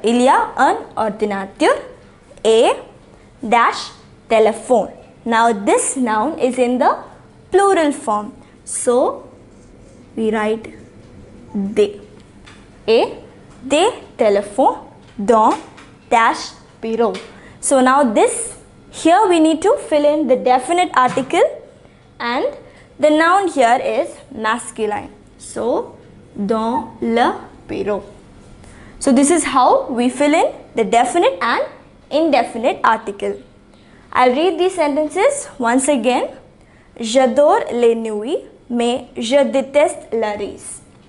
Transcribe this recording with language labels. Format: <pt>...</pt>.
<fr>Il y a un ordinateur et dash téléphone.</fr> <en>Now this noun is in the plural form, so we write des.</en> <fr>Et des téléphones dans dash bureau.</fr> <en>So now this, here we need to fill in the definite article, and the noun here is masculine, so</en> <fr>dans le bureau.</fr> <en>So this is how we fill in the definite and indefinite article. I'll read these sentences once again.</en> <fr>J'adore les nuits, mais je déteste la riz.</fr>